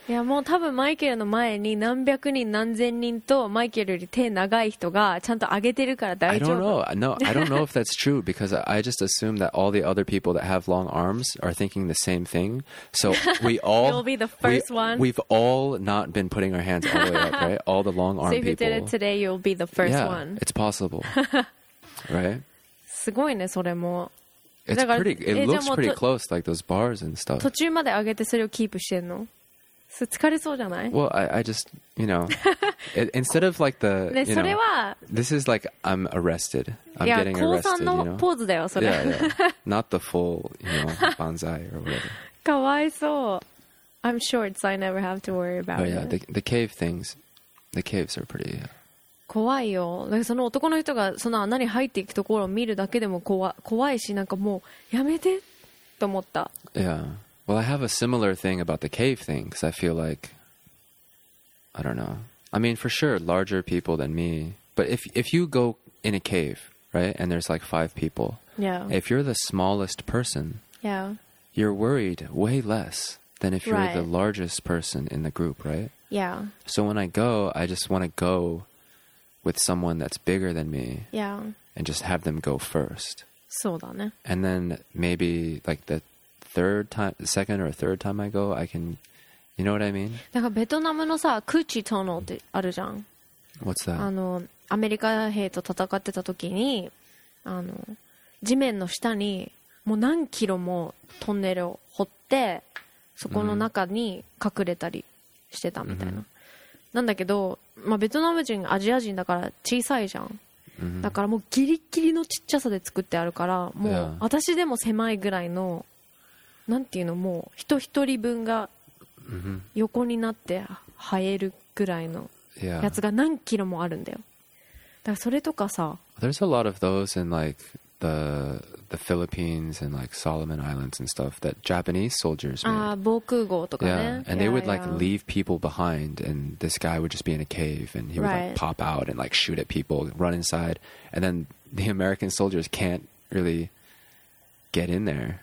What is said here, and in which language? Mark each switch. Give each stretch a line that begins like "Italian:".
Japanese: Yeah, もう多分マイケルの前に何百人何千人とマイケルより手長い人がちゃんと上げてるから大丈夫。
English: I don't know. No, I don't know if that's true because I just assume that all the other people that have long arms are thinking the same thing. So we all... You'll be the first one. We've all not been putting our hands all the way up, right? All the long arm people. So if you did it today, you'll be the first one. Yeah, it's possible. Right?
Japanese: すごいね、それも。
English: It's pretty. It looks pretty close, like those bars and stuff.
Japanese: 途中まで上げてそれをキープしてんの？疲れそうじゃない？
English: Well, I just, you know, it, instead of like the, you know,
Japanese: それは、
English: this is like I'm arrested. I'm getting arrested.
Japanese: いや、コウさんのポーズだよ、それ。
English: Yeah, yeah. Not the full, you know, bonsai or whatever.
Japanese: かわいそう。
English: I'm short, so I never have to worry about it. Oh yeah, the cave things, the caves are pretty.
Japanese: 怖いよ。だからその男の人がその穴に入っていくところを見るだけでも怖いし、なんかもうやめてと思った。
English: Yeah. Well, I have a similar thing about the cave thing because I feel like, I don't know. I mean, for sure, larger people than me. But if you go in a cave, right, and there's like five people. Yeah. If you're the smallest person. Yeah. You're worried way less than if you're the largest person in the group, right? Yeah. So when I go, I just want to go with someone that's bigger than me. Yeah. And just have them go first.
Japanese: そうだね。
English: And then maybe like the third time, the second or third time I go, I can, you know what I mean?
Japanese: だからベトナムのさ、クーチトノってあるじゃん。
English: What's that?
Japanese: あの、アメリカ兵と戦ってた時に、あの、地面の下にもう何キロもトンネルを掘って、そこの中に隠れたりしてたみたいな。 Mm-hmm. なんだけど、まあ、ベトナム人アジア人だから小さいじゃん、だからもうギリギリのちっちゃさで作ってあるから、もう私でも狭いぐらいの、なんていうの、もう人一人分が横になって生えるぐらいのやつが何キロもあるんだよ。だからそれとかさ、
English: There's a lot of those in like the Philippines and like Solomon Islands and stuff that Japanese soldiers made.
Japanese: 防空壕とかね。
English: Yeah, and they would like leave people behind, and this guy would just be in a cave, and he would like pop out and like shoot at people, run inside, and then the American soldiers can't really get in there.